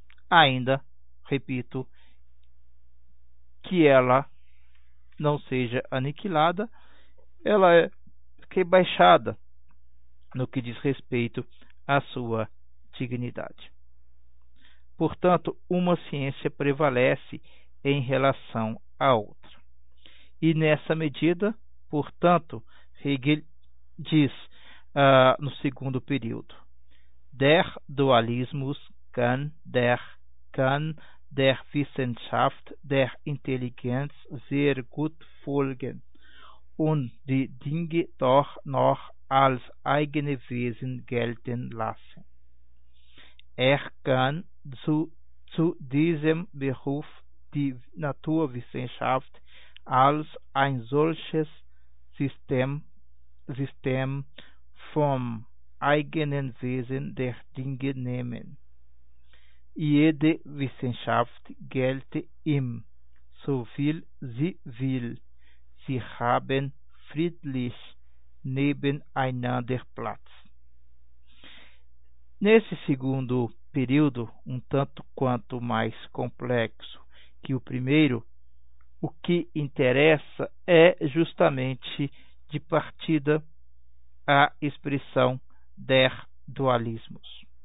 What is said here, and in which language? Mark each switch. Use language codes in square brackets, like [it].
[pt] Ainda, repito, que ela não seja aniquilada, ela é rebaixada no que diz respeito à sua dignidade. Portanto, uma ciência prevalece em relação à outra. E nessa medida, portanto, Hegel diz no segundo período, [de] Der Dualismus kann der Wissenschaft der Intelligenz sehr gut folgen und die Dinge doch noch als eigene Wesen gelten lassen. Kann zu diesem Beruf die Naturwissenschaft als ein solches System vom eigenen Wesen der Dinge nehmen. Jede Wissenschaft gelte ihm, so viel sie will. Sie haben friedlich nebeneinander Platz. [pt] Nesse segundo período, um tanto quanto mais complexo que o primeiro, o que interessa é justamente de partida a expressão der dualismus,